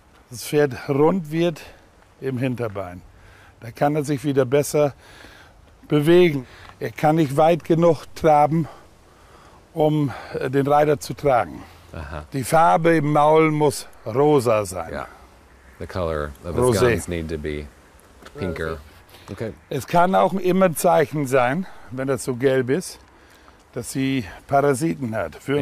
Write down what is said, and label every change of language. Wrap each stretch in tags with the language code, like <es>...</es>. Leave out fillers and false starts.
<de>Das Pferd rund wird im Hinterbein. Da kann er sich wieder besser bewegen. Er kann nicht weit genug traben, um den Reiter zu tragen. Aha. Die Farbe im Maul muss rosa sein. Ja.</de> <en>The color of his guns need to be pinker. Okay.</en> <de>Es kann auch immer ein Zeichen sein, wenn das so gelb ist, dass sie Parasiten hat, Würmer</de>